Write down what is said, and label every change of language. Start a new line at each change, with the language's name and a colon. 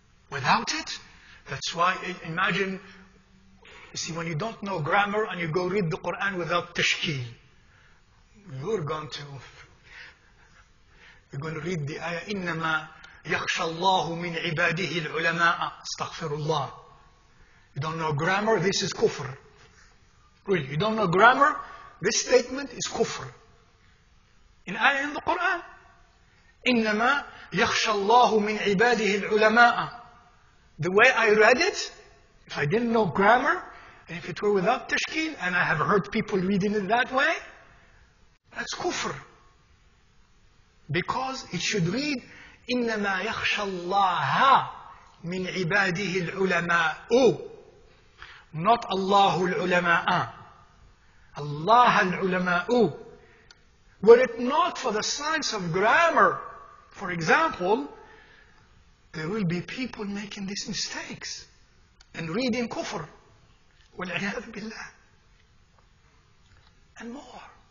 English: Without it, that's why, imagine, you see, when you don't know grammar and you go read the Quran without tashkeel, you're going to read the ayah,
Arabic: إِنَّمَا يَخْشَى اللَّهُ مِنْ عِبَادِهِ الْعُلَمَاءَ أَسْتَغْفِرُ اللَّهُ.
English: You don't know grammar, this is kufr. Really, you don't know grammar, this statement is kufr. In ayah in the Quran,
Arabic: إِنَّمَا يَخْشَى اللَّهُ مِنْ عِبَادِهِ الْعُلَمَاءَ.
English: The way I read it, if I didn't know grammar, and if it were without tashkeel, and I have heard people reading it that way, that's kufr. Because it should read,
Arabic: إِنَّمَا يَخْشَى اللَّهَ مِنْ عِبَادِهِ الْعُلَمَاءُ. Not اللَّهُ الْعُلَمَاءَ. اللَّهَ الْعُلَمَاءُ.
English: Were it not for the science of grammar, for example, there will be people making these mistakes and reading kufr.
Arabic: وَالْعِيَاذُ بِاللَّهِ.
English: And more.